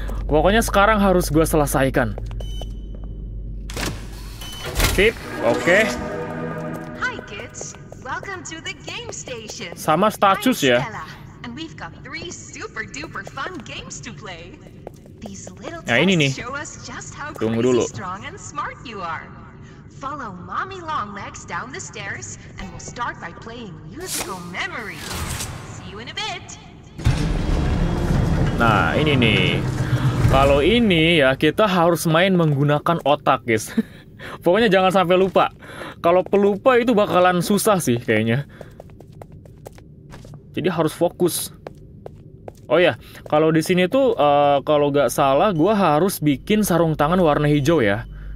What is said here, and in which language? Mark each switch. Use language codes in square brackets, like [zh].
[id] Pokoknya sekarang harus gue selesaikan. Sip, oke. [en] Hi kids, welcome to the game station. [id] Sama status ya. [en] And we've got three super duper fun games to play. These little tests show us just how strong and smart you are. Follow Mommy Longlegs down the stairs and we'll start by playing Musical Memory. See you in a bit. [id] Nah, ini nih. Kalau ini ya kita harus main menggunakan otak, guys. Pokoknya jangan sampai lupa. Kalau pelupa itu bakalan susah sih kayaknya. Jadi harus fokus. Oh ya, kalau di sini tuh kalau nggak salah, gue harus bikin sarung tangan warna hijau ya.